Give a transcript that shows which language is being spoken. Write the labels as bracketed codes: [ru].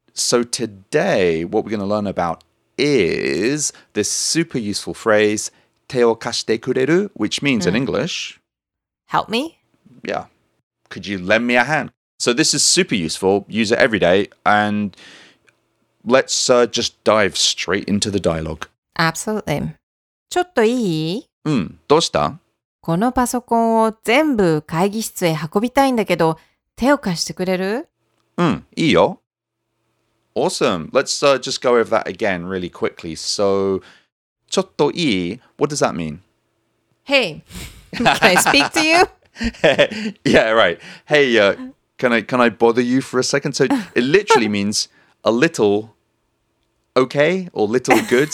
[en] So today, what we're going to learn about is this super useful phrase, [ja] 手を貸してくれる、 [en] which means in English, help me. Yeah. Could you lend me a hand? So this is super useful. Use it every day. And let's just dive straight into the dialogue. Absolutely. [ja] ちょっといい？うん。どうした？このパソコンを全部会議室へ運びたいんだけど、手を貸してくれる？うん。いいよ。 [en] Awesome. Let's just go over that again really quickly. So... [ja] ちょっといい？ [en] What does that mean? Hey, can I speak to you? Yeah, right. Hey, can I bother you for a second? So it literally means a little okay or little good.